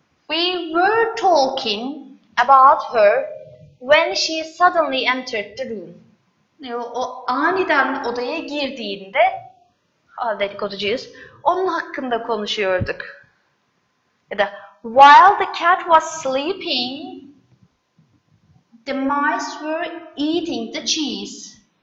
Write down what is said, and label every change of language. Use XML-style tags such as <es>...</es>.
<en>We were talking about her when she suddenly entered the room.</en> <tr>O aniden odaya girdiğinde, dedikoducuyuz, onun hakkında konuşuyorduk. Ya da</tr> <en>while the cat was sleeping, the mice were eating the cheese.</en>